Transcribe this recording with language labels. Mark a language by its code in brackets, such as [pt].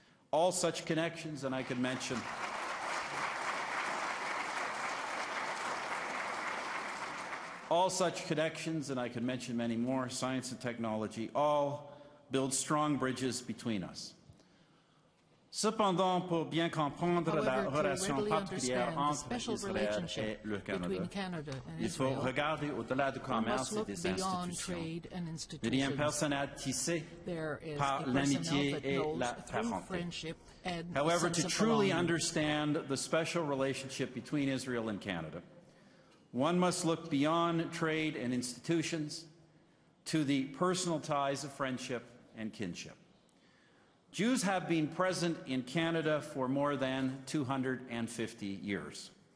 [en] All such connections, and I could mention many more, science and technology, all build strong bridges between us. [fr] Cependant, pour bien comprendre la relation particulière entre Israël et le Canada, il faut regarder au-delà du commerce et des institutions. Le lien personnel tissé par l'amitié et la parenté. [en] However, to truly understand the special relationship between Israel and Canada, one must look beyond trade and institutions to the personal ties of friendship and kinship. Jews have been present in Canada for more than 250 years.